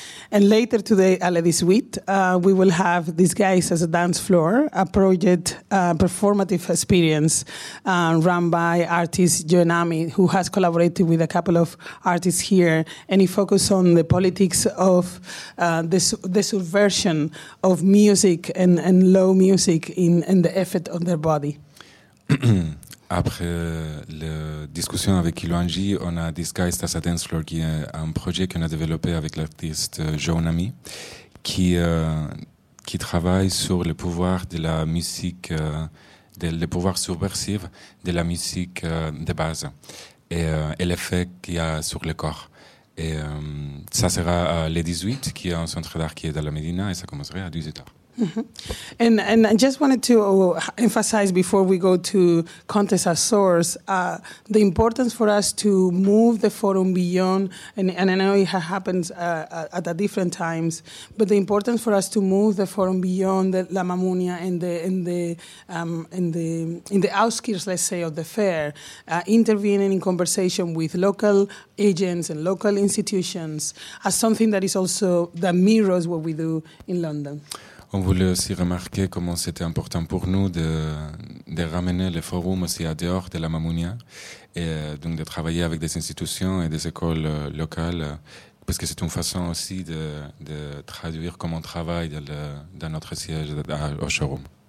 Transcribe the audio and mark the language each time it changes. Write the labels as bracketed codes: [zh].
[en] And later today at Le 18, we will have Disguise as a Dance Floor, a project, a performative experience run by artist Joan Ami, who has collaborated with a couple of artists here, and he focuses on the politics of the subversion of music and low music in the effect on their body. [fr] Après la discussion avec Kilwanji, on a Disguised as a Dance Floor, qui est un projet qu'on a développé avec l'artiste Joan Ami, qui travaille sur le pouvoir de la musique, le pouvoir subversif de la musique de base et l'effet qu'il y a sur le corps. Et ça sera le 18, qui est un centre d'art qui est dans la Médina, et ça commencera à 18h. Mm-hmm. [en] And I just wanted to emphasize before we go to context as source, the importance for us to move the forum beyond, and I know it happens at different times, but the importance for us to move the forum beyond the La Mamounia in the outskirts, let's say, of the fair, intervening in conversation with local agents and local institutions as something that is also that mirrors what we do in London. [fr] On voulait aussi remarquer comment c'était important pour nous de ramener le forum aussi à dehors de la Mamounia et donc de travailler avec des institutions et des écoles locales, parce que c'est une façon aussi de traduire comment on travaille dans notre siège au showroom.